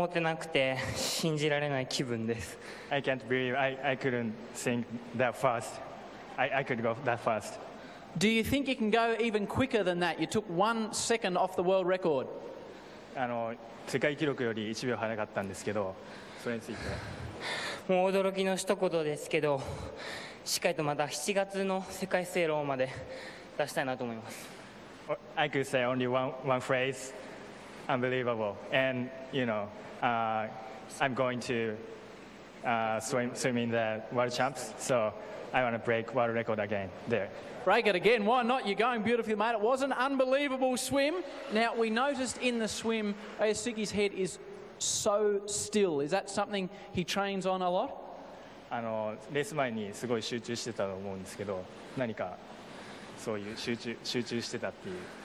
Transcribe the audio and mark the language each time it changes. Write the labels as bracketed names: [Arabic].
[English] I can't believe I couldn't think that fast. I could go that fast. Do you think you can go even quicker than that? You took 1 second off the world record. [Japanese] しっかりとまた7月の世界水泳まで出したいなと思います。 [English] I could say only one phrase, unbelievable, and you know, I'm going to swim in the world champs, so I want to break world record again there. Break it again? Why not? You're going beautifully, mate. It was an unbelievable swim. Now we noticed in the swim, Ayasuki's head is so still. Is that something he trains on a lot? [Japanese] レース前にすごい集中してたと思うんですけど、何かそういう集中してたっていう、